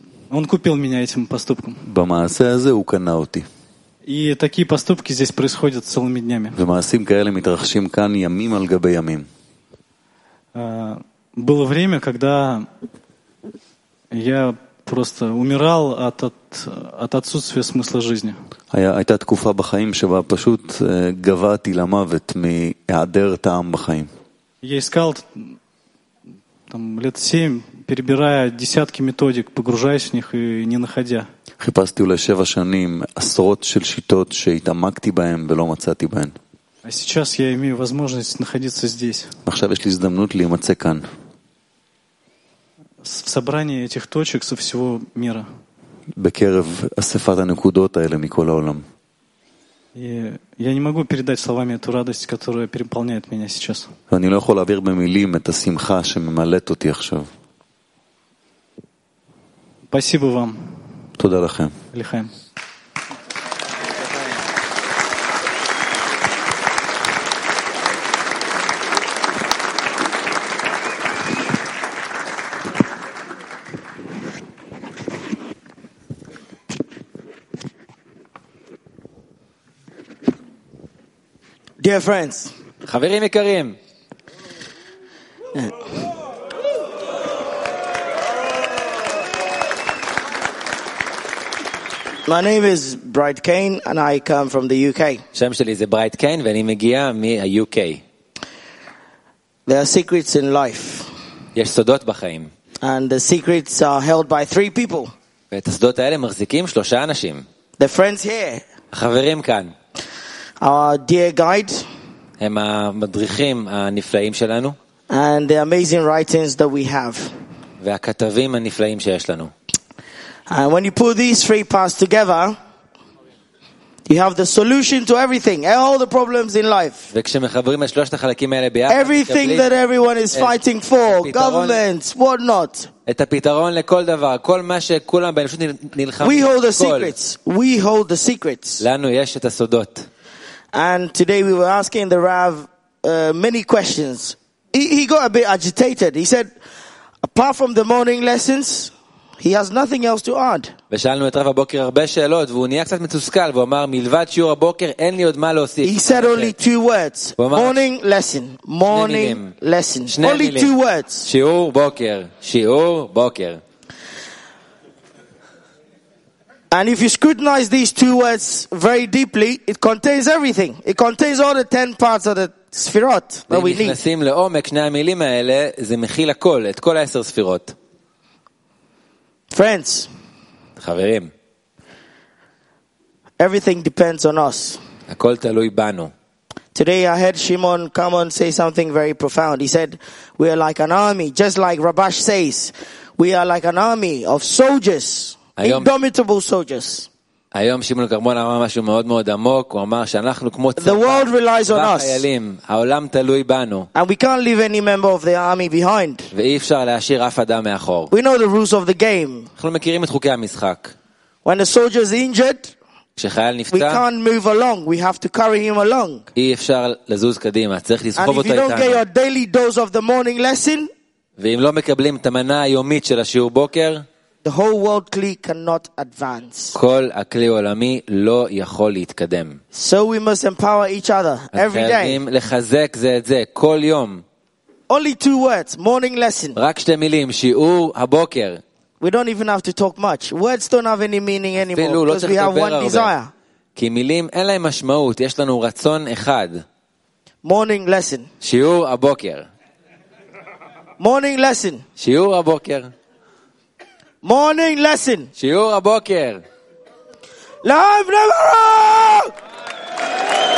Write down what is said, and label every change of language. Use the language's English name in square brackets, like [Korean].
[Russian] Он купил меня этим поступком. [Hebrew] Бамаасе азе у канаути. [Russian] И такие поступки здесь происходят целыми днями. [Hebrew] ומעשים כאלה מתרחשים כאן ימים על גבי ימים. [Russian] Было время, когда я просто умирал от отсутствия смысла жизни. [Hebrew] הייתה תקופה בחיים שבה פשוט גוועתי למוות מהיעדר טעם בחיים. [Russian] Я искал там лет 7, перебирая десятки методик, погружаясь в них и не находя. [Hebrew] חיפשתי אולי 7 שנים עשרות של שיטות שהתעמקתי בהן ולא מצאתי בהן. [Russian] А сейчас я имею возможность находиться здесь. [Hebrew] עכשיו יש לי הזדמנות להימצא כאן. [Russian] В собрании этих точек со всего мира. [Hebrew] בקרב אספת הנקודות האלה מכל העולם. [Russian] Я не могу передать словами эту радость, которая переполняет меня сейчас. [Hebrew] אני לא יכול להעביר במילים את השמחה שממלאת אותי עכשיו. [Russian] Спасибо вам. [Hebrew] תודה לכם. לכם. [English] Dear friends, [Hebrew] חברים יקרים. [English] My name is Bright Kane and I come from the UK. [Hebrew] שם שלי זה Bright Kane ואני מגיע מה-UK. [English] There are secrets in life. [Hebrew] יש סודות בחיים. [English] And the secrets are held by 3 people. [Hebrew] ואת הסודות האלה מחזיקים 3 אנשים. [English] The friends here. [Hebrew] החברים כאן. [English] Our dear guide. [Hebrew] הם המדריכים הנפלאים שלנו. [English] And the amazing writings that we have. [Hebrew] והכתבים הנפלאים שיש לנו. [English] And when you put these 3 parts together, You have the solution to everything, all the problems in life. [Hebrew] וכשמחברים את שלושת החלקים האלה ביחד, [English] everything that everyone is fighting for, governments, what not. [Hebrew] את הפתרון לכל דבר, כל מה שכולם באנושות נלחמים. [English] We hold the secrets. We hold the secrets. [Hebrew] לנו יש את הסודות. [English] And today we were asking the Rav many questions. He got a bit agitated. He said, apart from the morning lessons, he has nothing else to add. [Hebrew] ושאלנו את רב הבוקר הרבה שאלות, והוא נהיה קצת מתוסכל, והוא אמר, מלבד שיעור הבוקר, אין לי עוד מה להוסיף. [English] He said only two words. Morning lesson. Morning lesson. Only two words. [Hebrew] שיעור בוקר. שיעור בוקר. [English] And if you scrutinize these two words very deeply, it contains everything. It contains all the 10 parts of the sefirot that we need. [Hebrew] נכנסים לעומק שני המילים האלה, זה מכיל הכל, את כל ה-10 ספירות. [English] Friends, [Hebrew] חברים, [English] everything depends on us. [Hebrew] הכל תלוי בנו. [English] Today I heard Shimon come on say something very profound. He said, we are like an army, just like Rabash says, we are like an army of soldiers. Indomitable soldiers. [Hebrew] היום שמעון קרמון אמר משהו מאוד מאוד עמוק, הוא אמר שאנחנו כמו צבא, [English] the world relies on us. [Hebrew] העולם תלוי בנו. [English] And we can't leave any member of the army behind. [Hebrew] ואי אפשר להשאיר אף אדם מאחור. [English] We know the rules of the game. [Hebrew] אנחנו מכירים את חוקי המשחק. [English] When a soldier is injured, [Hebrew] כשחייל נפצע, [English] we can't move along, we have to carry him along. [Hebrew] אי אפשר לזוז קדימה, צריך לסחוב אותו איתנו. [English] And if you don't get your daily dose of the morning lesson, [Hebrew] ואם לא מקבלים את המנה היומית של השיעור בוקר, [English] the whole world kli cannot advance. [Hebrew] כל הכלי העולמי לא יכול להתקדם. [English] So we must empower each other every day. [Hebrew] אנחנו חייבים לחזק זה את זה כל יום. [English] Only two words, morning lesson. [Hebrew] רק שתי מילים, שיעור הבוקר. [English] We don't even have to talk much. Words don't have any meaning anymore. [Hebrew] אפילו לא צריך לדבר הרבה. [English] Because we have one desire. [Hebrew] כי מילים אין להם משמעות, יש לנו רצון אחד. [English] Morning lesson. [Hebrew] שיעור הבוקר. [English] Morning lesson. [Hebrew] שיעור הבוקר. [English] Morning lesson. [Hebrew] שיעור הבוקר. Live never wrong.